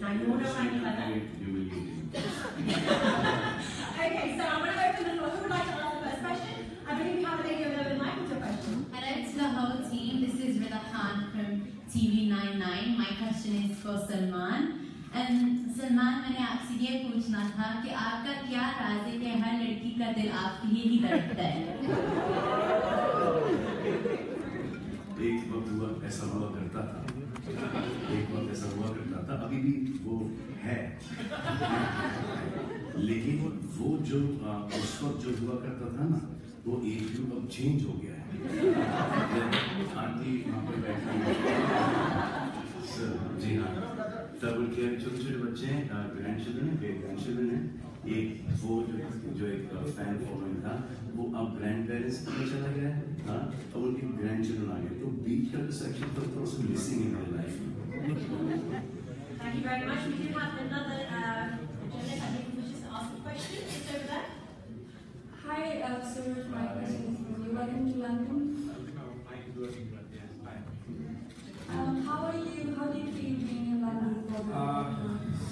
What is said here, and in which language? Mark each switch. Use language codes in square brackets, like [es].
[en] Now, you all know what I mean by that. Okay, so I'm going to open the floor. Who would like to ask the first question? I believe you have a lady over there with a mic with your question. Hello to the whole team. This is Rida Khan from TV99. My question is for Salman. [hi] Salman मैंने आपसे ये पूछना था कि आपका क्या राज है कि हर लड़की का दिल आपके लिए ही धड़कता है एक वक्त हुआ ऐसा हुआ करता था अभी भी वो है लेकिन वो जो उस वक्त जो हुआ करता था ना वो एक रूप अब चेंज हो गया है जी हाँ तब उनके छोटे छोटे बच्चे हैं ग्रैंड चिल्ड्रन है ग्रैंड चिल्ड्रन है एक वो जो एक फैन फॉलोइंग था वो अब ग्रैंड पेरेंट्स में चला गया है और उनके ग्रैंड चिल्ड्रन आ गए तो बीच का जो सेक्शन था वो सब [en] Missing in my life Thank you very much. We do have another gentleman. I think we'll just ask a question. It's over there. Hi, sir. My question is from you. Welcome to London. How are you? How do you feel being in London for the